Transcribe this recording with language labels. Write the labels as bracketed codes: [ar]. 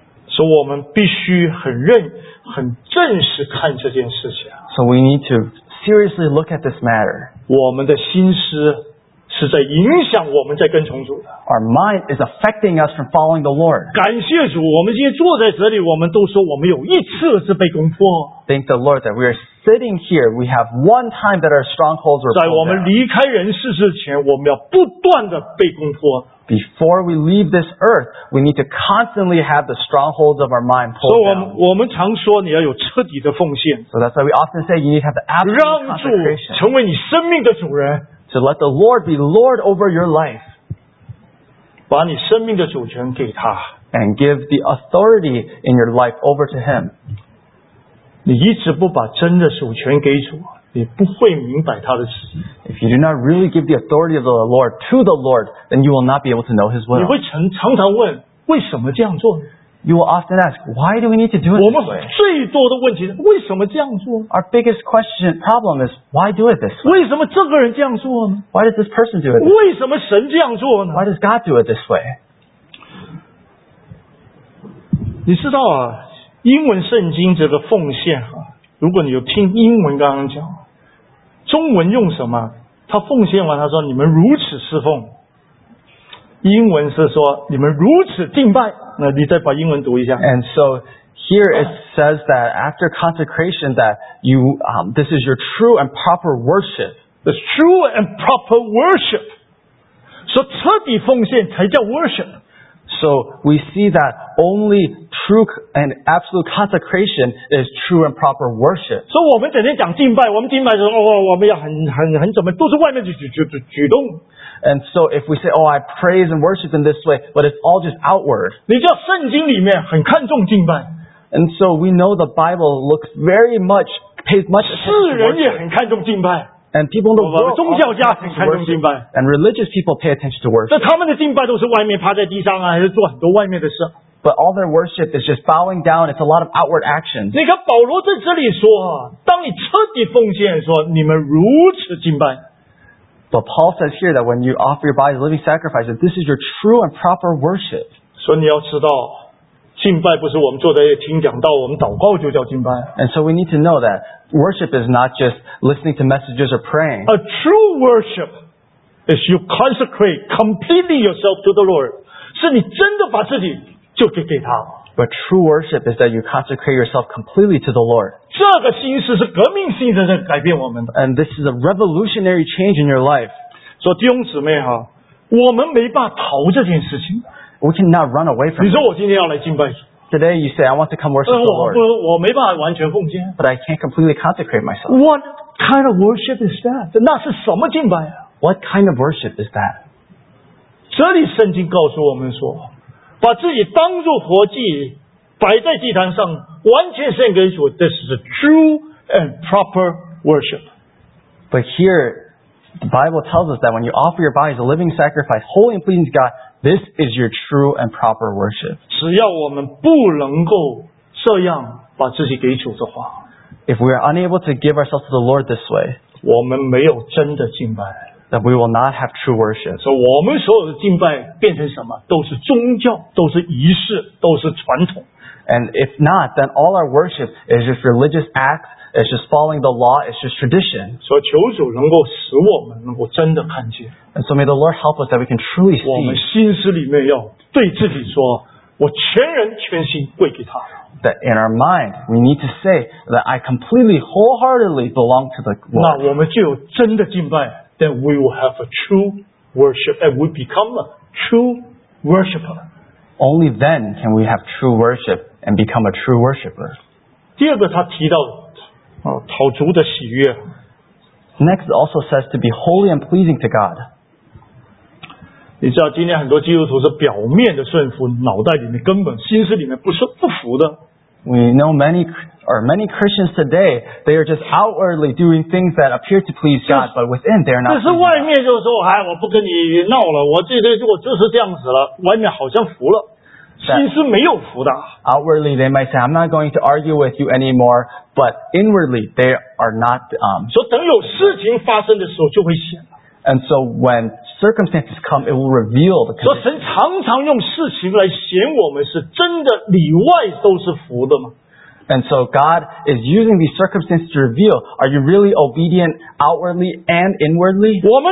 [zh] 所以我们必须很认，很正式看这件事情。 [en] So we need to seriously look at this matter. [zh] 我们的心思是在影响我们在跟从主的。 [en] Our mind is affecting us from following the Lord. [zh] 感谢主，我们今天坐在这里，我们都说我们有一次是被攻破。 [en] Thank the Lord that we are sitting here. We have one time that our strongholds were. [zh] 在我们离开人世之前，我们要不断的被攻破。 [en] Before we leave this earth, we need to constantly have the strongholds of our mind pulled down. [zh] 我们常说你要有彻底的奉献。 [en] So that's why we often say you need to have the absolute consecration. [zh] 让主成为你生命的主人。 [en] So let the Lord be Lord over your life. [zh] 把你生命的主权给他。 [en] And give the authority in your life over to Him. [zh] 你一直不把真的主权给主。也不会明白他的旨意。 [en] If you do not really give the authority of the Lord to the Lord, then you will not be able to know His will. [zh] 你会常常问为什么这样做？ [en] You will often ask, why do we need to do it this way? [zh] 我们最多的问题是为什么这样做？ [en] Our biggest question problem is, why do it this way? [zh] 为什么这个人这样做呢？ [en] Why does this person do it this way? [zh] 为什么神这样做呢？ [en] Why does God do it this way? [zh] 你知道啊，英文圣经这个奉献啊，如果你有听英文刚刚讲。中文用什么？他奉献完，他说：“你们如此侍奉。” 英文是说：“你们如此敬拜。” 那你再把英文读一下。 [en] And so here it says that after consecration, that you this is your true and proper worship. The true and proper worship. [zh] 说彻底奉献才叫 worship. [en] So we see that only. True and absolute consecration is true and proper worship. So we [zh] 整天讲敬拜，我们敬拜说哦，我们要很怎么，都是外面举动。 [en] And so if we say, oh, I praise and worship in this way, but it's all just outward. [zh] 你知道圣经里面很看重敬拜。 [en] And so we know the Bible looks very much pays much attention to worship. [zh] 世人也很看重敬拜。 [en] And people in the world, [zh] 宗教家很看重敬拜。 [en] And religious people pay attention to worship. [zh] 那他们的敬拜都是外面趴在地上啊，还是做很多外面的事。 [en] But all their worship is just bowing down. It's a lot of outward actions. [zh] 你看保罗在这里说啊，当你彻底奉献，说你们如此敬拜。 [en] But Paul says here that when you offer your body as a living sacrifice, that this is your true and proper worship. [zh] 所以你要知道，敬拜不是我们坐在听讲道，我们祷告就叫敬拜。 [en] And so we need to know that worship is not just listening to messages or praying. A true worship is you consecrate completely yourself to the Lord. [zh] 是你真的把自己 [en] But true worship is that you consecrate yourself completely to the Lord. [zh] 这个心思是革命性的，改变我们的。 [en] And this is a revolutionary change in your life. [zh] 说弟兄姊妹哈，我们没办法逃这件事情。 [en] We cannot run away from. [zh] 你说我今天要来敬拜。 [en] Today you say I want to come worship the Lord. [zh] 我没办法完全奉献。 [en] But I can't completely consecrate myself. What kind of worship is that? [zh] 那是什么敬拜啊？ [en] What kind of worship is that? [zh] 这里圣经告诉我们说。把自己当作活祭摆在祭坛上完全献给主 [en] This is a true and proper worship. But here, the Bible tells us that when you offer your body as a living sacrifice, holy and pleasing to God, this is your true and proper worship. [zh] 只要我们不能够这样把自己给主的话 [en] If we are unable to give ourselves to the Lord this way, [zh] 我们没有真的敬拜。 [en] That we will not have true worship. [zh] So, 我们所有的敬拜变成什么？都是宗教，都是仪式，都是传统。 [en] And if not, then all our worship is just religious acts. It's just following the law. It's just tradition. [zh] So, 求主能够使我们能够真的看见。 [en] And so, may the Lord help us that we can truly see. [zh] 我们心思里面要对自己说，我全人全心归给他。 [en] That in our mind, we need to say that I completely, wholeheartedly belong to the Lord. [zh] 那我们就有真的敬拜。 [en] Then we will have a true worship and we become a true worshiper. Only then can we have true worship and become a true worshiper. [zh] 第二个他提到讨主的喜悦。 [en] Next also says to be holy and pleasing to God. [zh] 你知道今天很多基督徒是表面的顺服脑袋里面根本心思里面不服的。 [en] We know many Christians today, they are just outwardly doing things that appear to please God, but within they are not. [zh] 就是外面就说，哎，我不跟你闹了，我就是这样子了，外面好像服了，心思没有服的。 [en] Outwardly, they might say, I'm not going to argue with you anymore, but inwardly, they are not. [zh] 说等有事情发生的时候就会显。 [en] And so when circumstances come, it will reveal the condition. [zh] 说神常常用事情来显我们是真的里外都是福的吗？ [en] And so God is using these circumstances to reveal, are you really obedient outwardly and inwardly?